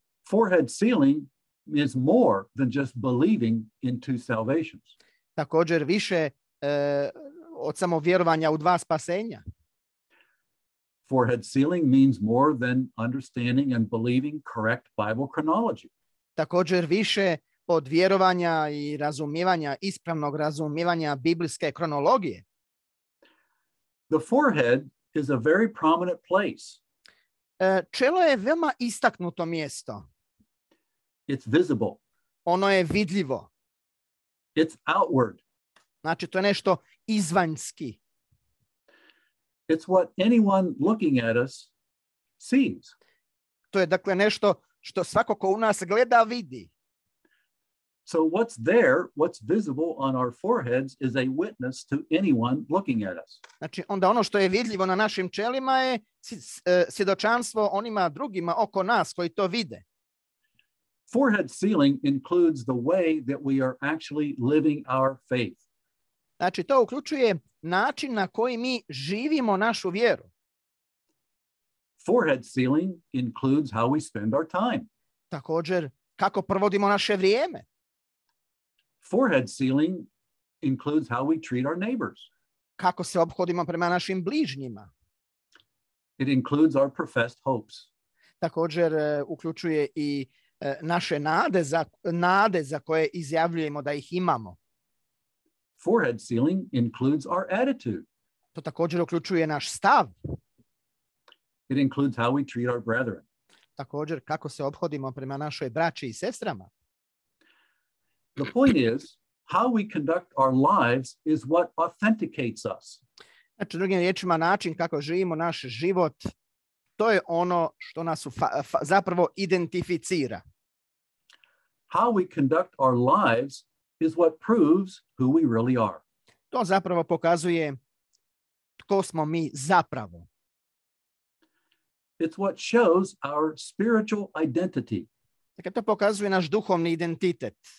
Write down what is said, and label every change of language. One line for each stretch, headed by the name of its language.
English: Forehead sealing is more than just believing in two salvations.
Croatian: Također više od samo vjerovanja u dva spasenja.
English: Forehead sealing means more than understanding and believing correct Bible chronology.
Croatian: Također više od vjerovanja i razumijevanja, ispravnog razumijevanja biblijske kronologije.
English: The forehead is a very prominent place.
Croatian: Čelo je veoma istaknuto mjesto.
English: It's visible.
Croatian: Ono je vidljivo.
English: It's outward.
Croatian: Znači, to je nešto izvanjski.
English: It's what anyone looking at us sees.
Croatian: To je dakle nešto što svako ko u nas gleda vidi.
English: So what's there, what's visible on our foreheads is a witness to anyone looking at us.
Croatian: Znači, onda ono što je vidljivo na našim čelima je svjedočanstvo onima drugima oko nas koji to vide.
English: Forehead sealing includes the way that we are actually living our faith.
Croatian: Znači, to uključuje način na koji mi živimo našu vjeru.
English: Forehead sealing includes how we spend our time.
Croatian: Također, kako provodimo naše vrijeme.
English: Forehead sealing includes how we treat our neighbors.
Croatian: Kako se ophodimo prema našim bližnjima.
English: It includes our professed hopes.
Croatian: Također, uključuje i naše nade za koje izjavljujemo da ih imamo.
English: Forehead sealing includes our attitude.
Croatian: To također uključuje naš stav.
English: It includes how we treat our brethren.
Croatian: Također kako se ophodimo prema našoj braći i sestrama.
English: The point is, how we conduct our lives is what authenticates us.
Croatian: Znači, drugim riječima, način kako živimo naš život, to je ono što nas zapravo identificira.
English: How we conduct our lives is what proves who we really are.
Croatian: To zapravo pokazuje tko smo mi zapravo.
English: It's what shows our spiritual identity.
Croatian: Dakle, to pokazuje naš duhovni identitet.